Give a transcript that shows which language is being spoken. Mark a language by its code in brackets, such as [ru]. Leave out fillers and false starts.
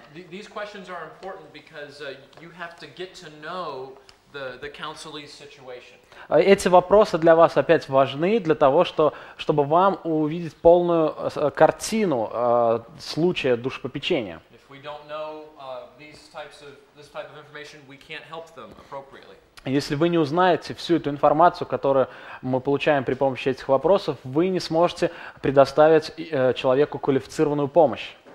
[en] These questions are important because you have to get to know the counselee's situation. [ru] Эти вопросы для вас опять важны для того, чтобы вам увидеть полную картину случая душепопечения. [en] If we don't know these types of this type of information, we can't help them appropriately. [ru] Если вы не узнаете всю эту информацию, которую мы получаем при помощи этих вопросов, вы не сможете предоставить человеку квалифицированную помощь.